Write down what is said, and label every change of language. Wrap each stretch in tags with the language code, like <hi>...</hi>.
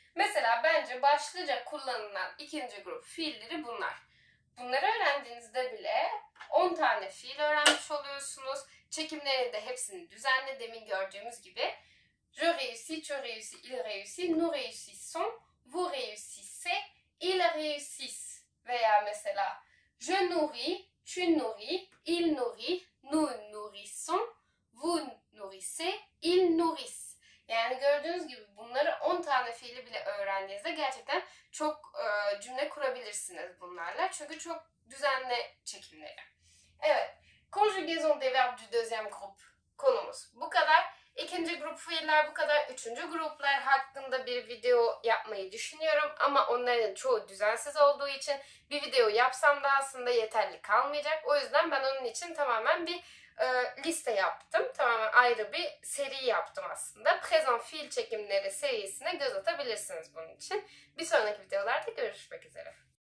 <tr>Mesela bence başlıca kullanılan ikinci grup fiilleri bunlar. Bunları öğrendiğinizde bile 10 tane fiil öğrenmiş oluyorsunuz. Çekimlerini de hepsini düzenle, demin gördüğümüz gibi.</tr> <fr>Je réussis, tu réussis, il réussit, nous réussissons, vous réussissez, ils réussissent. Veya mesela, je nourris, tu nourris, il nourrit, nous nourrissons, vous nourrissez, ils nourrissent.</fr> <tr>Yani gördüğünüz gibi bunları 10 tane fiili bile öğrendiğinizde gerçekten çok cümle kurabilirsiniz bunlarla. Çünkü çok düzenli çekimleri. Evet.</tr> <fr>Conjugaison des verbes du deuxième groupe</fr> <tr>konumuz bu kadar. İkinci grup fiiller bu kadar. Üçüncü gruplar hakkında bir video yapmayı düşünüyorum. Ama onların çoğu düzensiz olduğu için bir video yapsam da aslında yeterli kalmayacak. O yüzden ben onun için tamamen bir liste yaptım. Tamamen ayrı bir seri yaptım aslında. Présent fiil çekimleri serisine göz atabilirsiniz bunun için. Bir sonraki videolarda görüşmek üzere.</tr>